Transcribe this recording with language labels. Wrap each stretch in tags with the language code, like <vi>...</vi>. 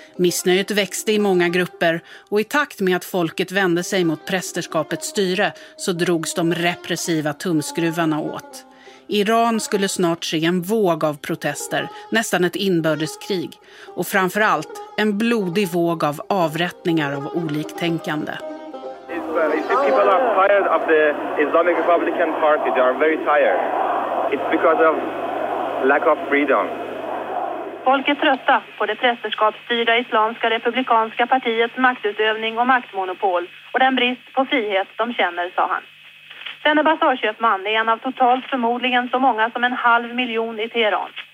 <sv>Missnöjet växte i många grupper och i takt med att folket vände sig mot prästerskapets styre så drogs de repressiva tumskruvarna åt. Iran skulle snart se en våg av protester, nästan ett inbördeskrig. Och framförallt en blodig våg av avrättningar av oliktänkande.</sv> <en>People are tired of the Islamic Republican Party. They are very tired. It's because of lack of freedom.</en> <sv>Folket trötta på det prästerskapsstyrda Islamiska Republikanska Partiets maktutövning och maktmonopol och den brist på frihet de känner, sa han. Denne basarköpman är en av totalt förmodligen så många som en halv miljon i Teheran.</sv>